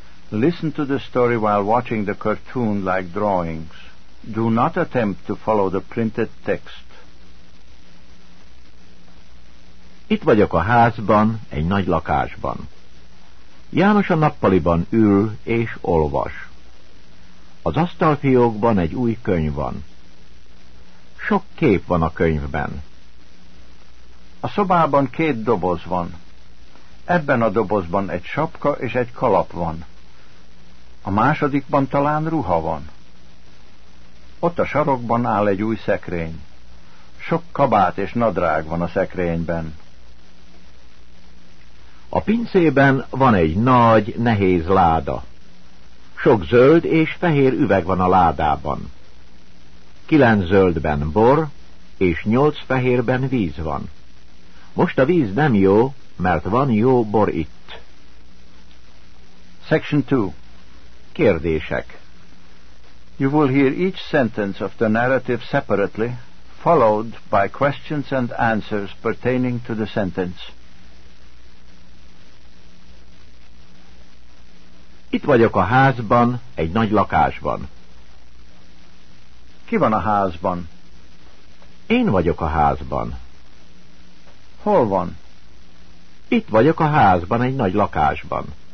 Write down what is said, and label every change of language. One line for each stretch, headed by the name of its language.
English: Listen to the story while watching the cartoon-like drawings. Do not attempt to follow the printed text.
Hungarian: Itt vagyok a házban, egy nagy lakásban. János a nappaliban ül és olvas. Az asztalfiókban egy új könyv van. Sok kép van a könyvben. A szobában két doboz van. Ebben a dobozban egy sapka és egy kalap van. A másodikban talán ruha van. Ott a sarokban áll egy új szekrény. Sok kabát és nadrág van a szekrényben. A pincében van egy nagy, nehéz láda. Sok zöld és fehér üveg van a ládában. 9 zöldben bor, és 8 fehérben víz van. Most a víz nem jó, mert van jó bor itt.
English: Section 2.
Hungarian: kérdések.
English: You will hear each sentence of the narrative separately, followed by questions and answers pertaining to the sentence.
Hungarian: Itt vagyok a házban, egy nagy lakásban. Ki van a házban? Én vagyok a házban. Hol van? Itt vagyok a házban, egy nagy lakásban.